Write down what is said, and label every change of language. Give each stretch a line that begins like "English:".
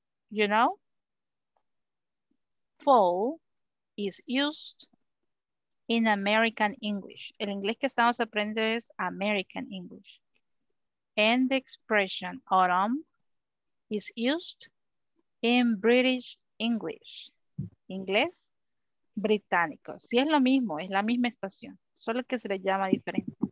English: You know, fall is used in American English.
Spanish: El inglés que estamos aprendiendo es American English.
English: And the expression autumn is used in British English.
Spanish: Inglés británico. Sí, es lo mismo, es la misma estación, solo que se le llama diferente.